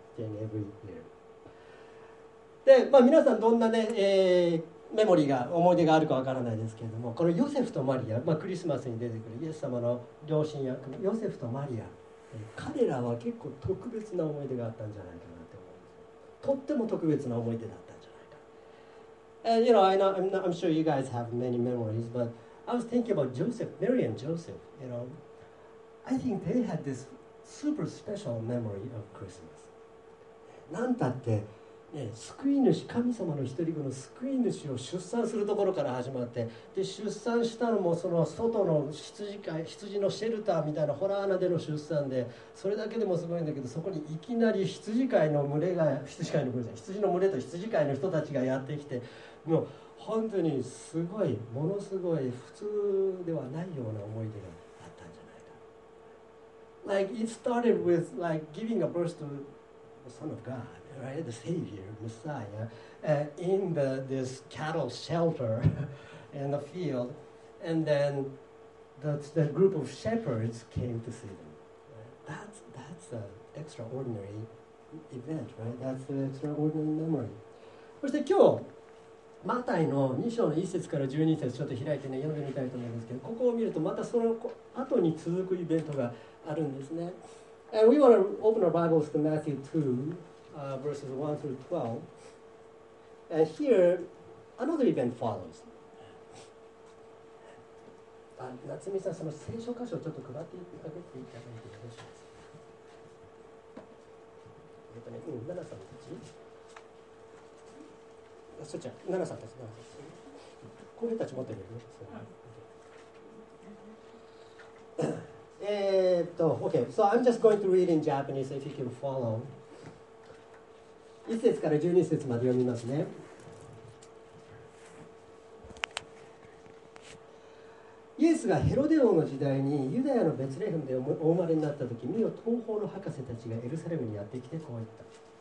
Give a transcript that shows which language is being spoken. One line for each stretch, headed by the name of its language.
English: Every year.
Japanese: で、まあ、皆さんどんな、ねメモリーが思い出があるかわからないですけれども、このヨセフとマリア、まあ、クリスマスに出てくるイエス様の両親役のヨセフとマリア、彼らは結構特別な思い出があったんじゃないかなって思います。とっても特別な思い出だったんじゃないか。
English: And you know, I know I'm sure you guys have many memories, but I was thinking about Joseph, Mary and Joseph. You know, I think they had this super special memory of Christmas.
Japanese: なんたって、ね、救い主、神様の一人子の救い主を出産するところから始まって、で出産したのもその外の 羊のシェルターみたいな洞穴での出産で、それだけでもすごいんだけど、そこにいきなり羊飼いの群れが、羊の群れと羊飼いの人たちがやってきて、もう本当にすごい、ものすごい普通ではないような思い出があったんじゃないか。
English: Like it started with like giving a birth toSon of God, right? The Savior, Messiah, in this cattle shelter in the field, and then the group of shepherds came to see them. That's an extraordinary event, right? That's an extraordinary memory.
Japanese: そして今日、マタイの2章の1節から12節ちょっと開いてね、読んでみたいと思うんですけど、ここを見るとまたその後に続くイベントがあるんですね。
English: And we want to open our Bibles to Matthew 2, verses 1 through 12. And here, another event follows.
Japanese: Natsumi-san, その聖書箇所をちょっと配っていただいてよろしいですか。
English: 7-3-1. Matthew 2, verses 1 through 12.
Japanese: そっちは、7-3-1. こういう人たち持ってるよね。
English: Okay, so I'm just going to read in Japanese if you can follow.
Japanese: 1節から12節まで読みますね。イエスがヘロデ王の時代にユダヤのベツレヘムでお生まれになった時、見よ、東方の博士たちがエルサレムにやってきてこう言った。